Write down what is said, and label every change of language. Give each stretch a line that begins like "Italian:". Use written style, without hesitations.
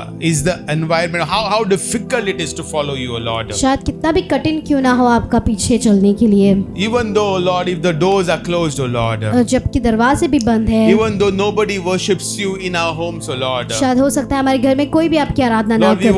English: is the environment, how difficult it is to follow you, Lord.
Hindi: शायद कितना भी कठिन क्यों ना हो आपका पीछे चलने के लिए.
English: Even though, Lord, if the doors are closed, O Lord.
Hindi: जबकि दरवाजे भी बंद हैं.
English: Even though nobody worships you in our homes, O Lord.
Hindi: शायद हो सकता है हमारे घर में कोई भी आपकी आराधना ना करते हो.